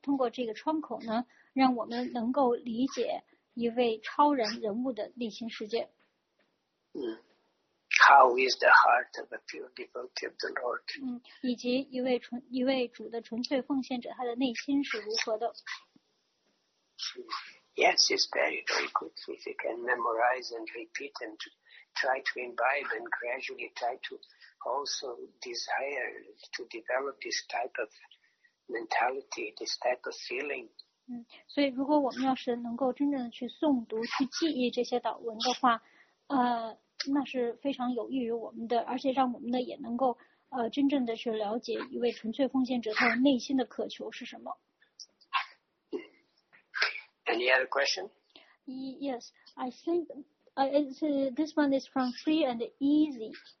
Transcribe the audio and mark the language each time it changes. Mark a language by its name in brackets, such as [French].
[Chinese] 通过这个窗口呢，让我们能够理解一位超人人物的内心世界。 [English] 嗯。How is the heart of a pure devotee of the Lord？ [Chinese] 嗯，以及一位主的纯粹奉献者，他的内心是如何的 [English] ？Yes, it's very, very good. If you can memorize and repeat and try to imbibe and gradually try to also desire to develop this type of mentality, this type of feeling。 [Chinese] 嗯，所以如果我们要是能够真正的去诵读、去记忆这些祷文的话，那是非常有益于我们的，而且让我们的也能够真正的去了解一位纯粹奉献者他内心的渴求是什么。 [English] Any other question? Yes, I think this one is from Free and Easy.